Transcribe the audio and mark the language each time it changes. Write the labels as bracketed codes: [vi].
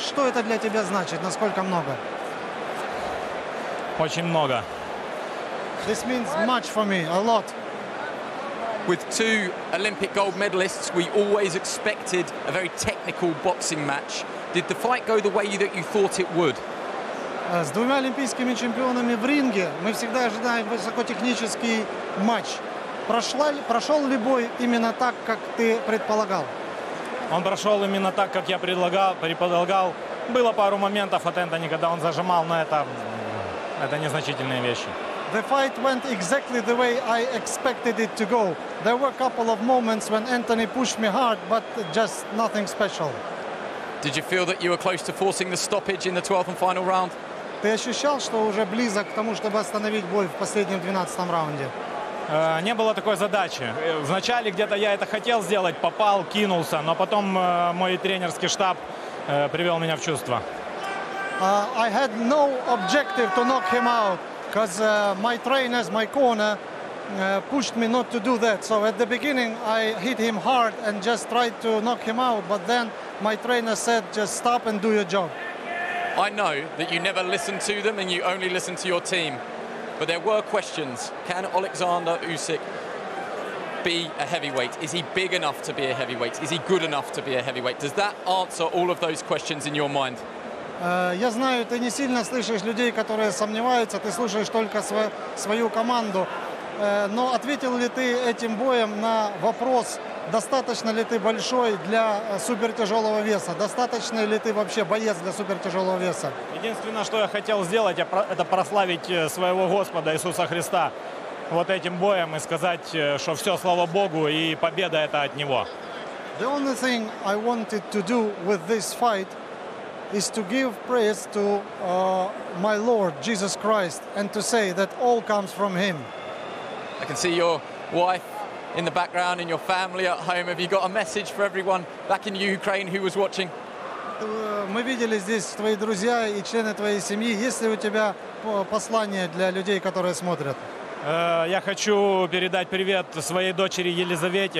[ru] Что это для тебя значит? Насколько много? Очень много. [en] This means much for me, a lot. With two Olympic gold medalists, we always expected a very technical boxing match. Did the fight go the way that you thought it would? [ru] С двумя олимпийскими чемпионами в ринге мы всегда ожидаем высокотехнический матч. Прошел ли бой именно так, как ты предполагал? Он прошел именно так, как я предполагал. Было пару моментов от Энтони, когда он зажимал, но это незначительные вещи. [en] The fight went exactly the way I expected it to go. There were a couple of moments when Anthony pushed me hard, but just nothing special. Did you feel that you were close to forcing the stoppage in the 12th and final round? [ru] Ты ощущал, что уже близок к тому, чтобы остановить бой в последнем 12-м раунде? Не было такой задачи. Вначале где-то я это хотел сделать, попал, кинулся, но потом мой тренерский штаб привел меня в чувство. [en] I had no objective to knock him out. Because my trainers, my corner, pushed me not to do that. So at the beginning, I hit him hard and just tried to knock him out. But then my trainer said, just stop and do your job. I know that you never listen to them and you only listen to your team. But there were questions. Can Oleksandr Usyk be a heavyweight? Is he big enough to be a heavyweight? Is he good enough to be a heavyweight? Does that answer all of those questions in your mind? [ru] Я знаю, ты не сильно слышишь людей, которые сомневаются, ты слушаешь только свою команду. Но ответил ли ты этим боем на вопрос, достаточно ли ты большой для супертяжелого веса? Достаточно ли ты вообще боец для супертяжелого веса? Единственное, что я хотел сделать, это прославить своего Господа Иисуса Христа вот этим боем и сказать, что все, слава Богу, и победа это от Него. [en] The only thing I wanted to do with this fight is to give praise to my Lord, Jesus Christ, and to say that all comes from Him. I can see your wife in the background, and your family at home. Have you got a message for everyone back in Ukraine who was watching? [ru] Мы видели здесь твои друзья и члены твоей семьи. Есть ли у тебя послание для людей, которые смотрят? Я хочу передать привет своей дочери Елизавете.